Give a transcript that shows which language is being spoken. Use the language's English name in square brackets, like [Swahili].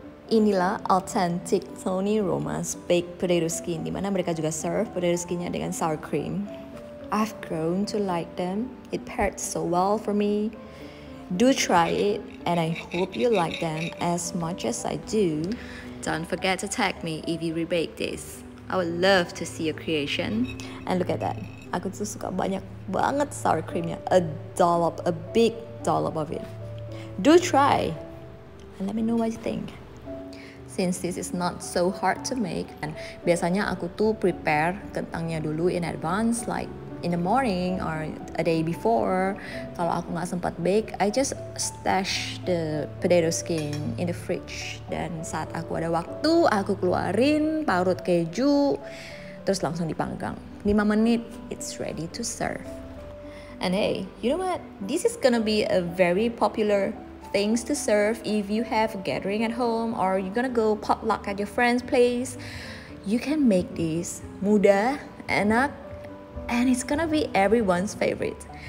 [Indonesian] Inilah authentic Tony Romas baked potato skin, di mana mereka juga serve potato skinnya dengan sour cream. [English] I've grown to like them. It paired so well for me. Do try it, and I hope you like them as much as I do. Don't forget to tag me if you rebake this. I would love to see your creation. And look at that. [Indonesian] Aku tuh suka banyak banget sour creamnya. [English] A dollop, a big dollop of it. Do try, and let me know what you think. Since this is not so hard to make, and [Indonesian] biasanya aku tuh prepare kentangnya dulu [English] in advance, like in the morning or a day before. [Indonesian] Kalau aku nggak sempat [English] bake, I just stash the potato skin in the fridge. [Indonesian] Dan saat aku ada waktu, aku keluarin, parut keju, terus langsung dipanggang. 5 menit, [English] it's ready to serve. And hey, you know what? This is gonna be a very popular things to serve if you have a gathering at home or you're gonna go potluck at your friend's place. You can make this [Indonesian] mudah, enak, [English] and it's gonna be everyone's favorite.